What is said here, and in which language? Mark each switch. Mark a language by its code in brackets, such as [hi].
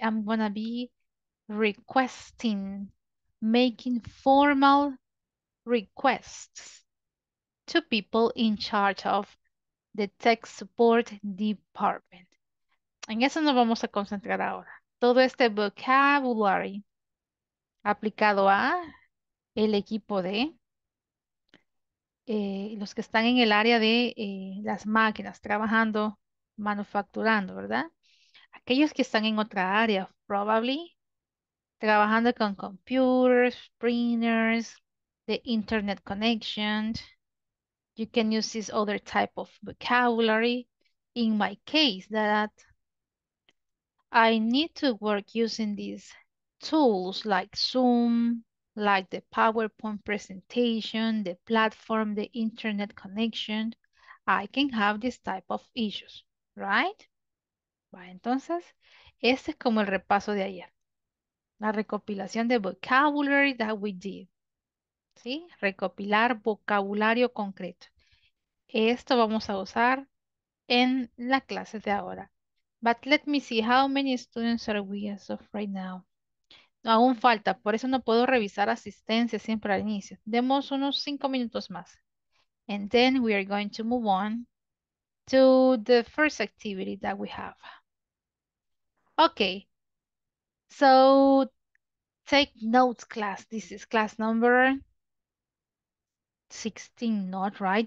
[en] I'm gonna be requesting, making formal requests to people in charge of the tech support department. [es] En eso nos vamos a concentrar ahora. Todo este vocabulary aplicado a el equipo de los que están en el área de las máquinas, trabajando, manufacturando, ¿verdad? Aquellos que están en otra área, probably, trabajando con [en] computers, printers, the internet connection. You can use this other type of vocabulary. In my case, that I need to work using this tools like Zoom, like the PowerPoint presentation, the platform, the internet connection, I can have this type of issues, right? [es] Bueno, entonces, este es como el repaso de ayer. La recopilación de [en] vocabulary that we did. [es] ¿Sí? Recopilar vocabulario concreto. Esto vamos a usar en la clase de ahora. [en] But let me see how many students are we as of right now. [es] No, aún falta, por eso no puedo revisar asistencia siempre al inicio. Demos unos 5 minutos más. [en] And then we are going to move on to the first activity that we have. Okay, so take notes class. This is class number 16, not right.